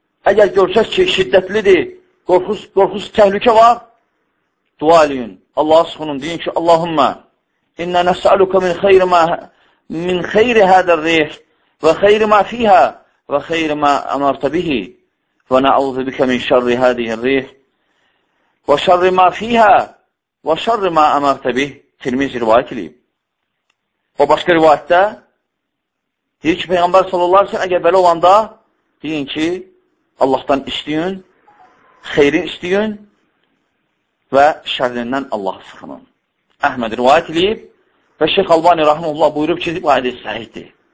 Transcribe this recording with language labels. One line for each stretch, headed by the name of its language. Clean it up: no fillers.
Azerbaijani: Əgər görsəz ki, şiddətlidir, qorxus təhlükə var, dua eləyin. Allah'a sığının, deyin ki,
Arabic: Allahümme, inna nəsəlükə min xeyri hədər rih və xeyri mə fihə və xeyri mə əmərtə bihi. وَنَعُوذُ بِكَ مِنْ شَرِّ هَذِهِ الرِّيحِ وَشَرِّ مَا فِيهَا وَشَرِّ مَا أَمَرْتَ بِهِ
Azerbaijani: Tirmizi rivayət edib. O başqa rivayətdə deyir ki, Peyğəmbər sallallahu aleyhi ve sellem, əgər belə olanda deyin ki, Allahdan istəyin, xeyrin istəyin və şərrindən Allah sıxının. Əhməd rivayət edib və Şeyx Albani rahimullah buyurub ki, bu ayədə səhiddir.